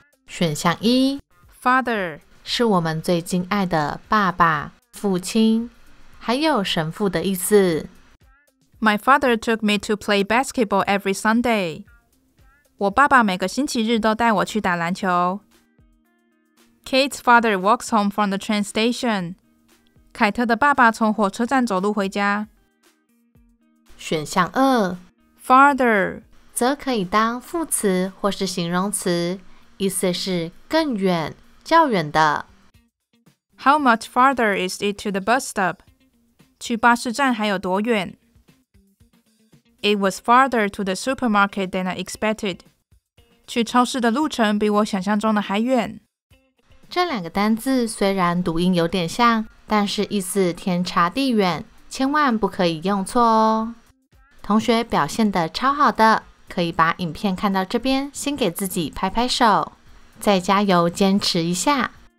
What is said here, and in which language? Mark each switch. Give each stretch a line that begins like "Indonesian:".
Chinese: 选项一
English: ，father
Chinese: 是我们最敬爱的爸爸、父亲，还有神父的意思。
English: My father took me to play basketball every Sunday.
Chinese: 我爸爸每个星期日都带我去打篮球。
English: Kate's father walks home from the train station.
Chinese: 凯特的爸爸从火车站走路回家。选项二
English: ，father。
Chinese: 则可以当副词或是形容词，意思是更远、较远的。
English: How much farther is it to the bus stop?
Chinese: 去巴士站还有多远？
English: It was farther to the supermarket than I expected.
Chinese: 去超市的路程比我想象中的还远。这两个单字虽然读音有点像，但是意思天差地远，千万不可以用错哦。同学表现得超好的。可以把影片看到这边，先给自己拍拍手，再加油坚持一下。